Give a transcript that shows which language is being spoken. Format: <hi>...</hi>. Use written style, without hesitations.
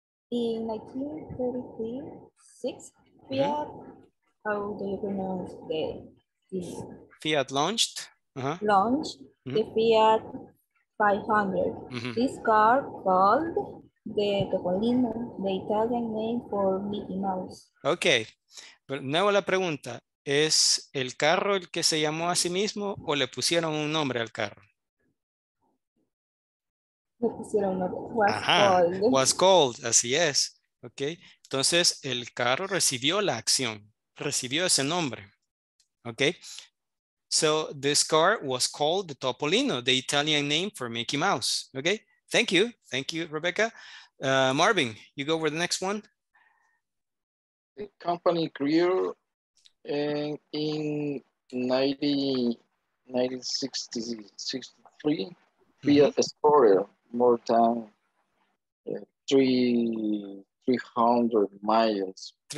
<en>In 1936, Fiat, how do you pronounce the Fiat launched? Uh-huh. Launched the Fiat 500. Mm-hmm. This car called the Topolino, the Italian name for Mickey Mouse. Okay.</en> <es>Pero nuevo la pregunta, ¿es el carro el que se llamó a sí mismo o le pusieron un nombre al carro? Le pusieron un nombre.</es> <en>Was called. Was called,</en> <es>así es. Okay. Entonces, el carro recibió la acción, recibió ese nombre.</es> <en>Okay. So this car was called the Topolino, the Italian name for Mickey Mouse. Okay, thank you. Thank you, Rebecca. Marvin, you go for the next one. The company grew in 1963, Fiat Explorer, more than 300 miles.</en>